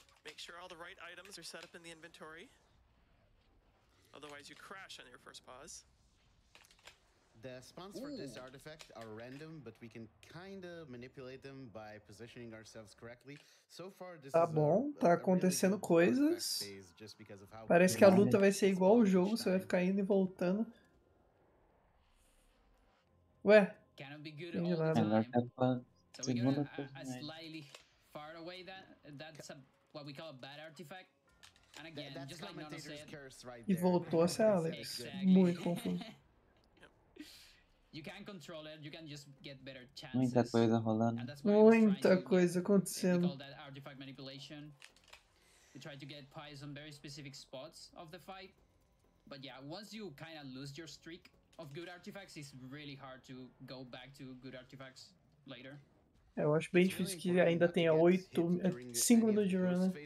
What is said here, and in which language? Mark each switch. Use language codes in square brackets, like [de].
[en] Make sure all the right items are set up in the inventory. Otherwise, you crash on your first pause. The spawns for this artifact are random, but we can kind of manipulate them by positioning ourselves correctly. So far, this [pt] tá bom, tá acontecendo coisas. Parece que a luta vai ser igual ao jogo, você vai ficar indo e voltando. Ué? [en] Cannot be good all the time. So we're gonna slightly far away that's what we call a bad artifact. And again, just like Nono said. [pt] E voltou a ser Alex. Muito confuso. [en] You can control it, you can just get better chances. [pt] Muita coisa rolando. Muita coisa acontecendo. [en] We call that artifact manipulation. We try to get Pies on very specific spots of the fight. But yeah, once you kind of lose your streak of good artifacts, it's really hard to go back to good artifacts later. [pt] Eu acho bem difícil que ainda tenha 8, 5 minutos de run, né?